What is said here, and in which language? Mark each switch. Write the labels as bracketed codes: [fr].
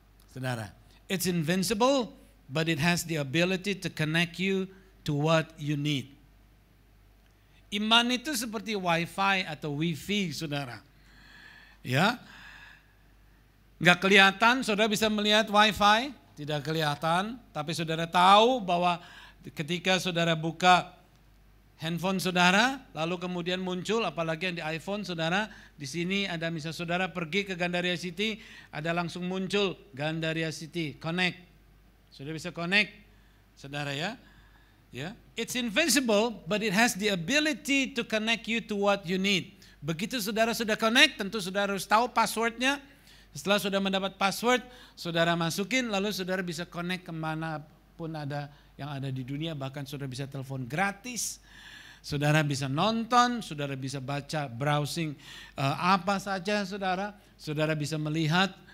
[en] Saudara, it's invincible but it has the ability to connect you to what you need. [id] Iman itu seperti Wi-Fi atau Wi-Fi, saudara. Ya, nggak kelihatan, saudara bisa melihat Wi-Fi, tidak kelihatan, tapi saudara tahu bahwa ketika saudara buka handphone saudara, lalu kemudian muncul, apalagi yang di iPhone, saudara, di sini ada misalnya saudara pergi ke Gandaria City, ada langsung muncul Gandaria City, connect. Saudara bisa connect, saudara, ya. Yeah. [en] It's invisible, but it has the ability to connect you to what you need. [id] Begitu saudara sudah connect, tentu saudara harus tahu passwordnya. Setelah sudah mendapat password, saudara masukin, lalu saudara bisa connect kemana pun ada yang ada di dunia, bahkan saudara bisa telepon gratis, saudara bisa nonton, saudara bisa baca, browsing, apa saja saudara, saudara bisa melihat,